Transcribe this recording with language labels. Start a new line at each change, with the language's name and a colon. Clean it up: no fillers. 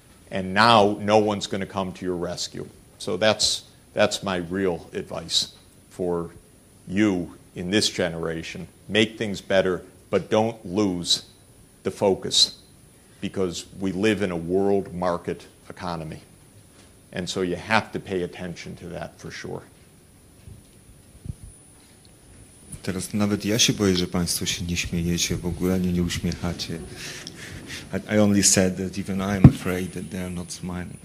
English: And now no one's going to come to your rescue. So that's my real advice for you in this generation. Make things better, but don't lose the focus, because we live in a world market economy. And so you have to pay attention to that for sure.
Polish: Teraz nawet ja się boję, że państwo się nie śmiejecie, w ogóle ani nie uśmiechacie.
English: I only said that even I am afraid that they are not smiling.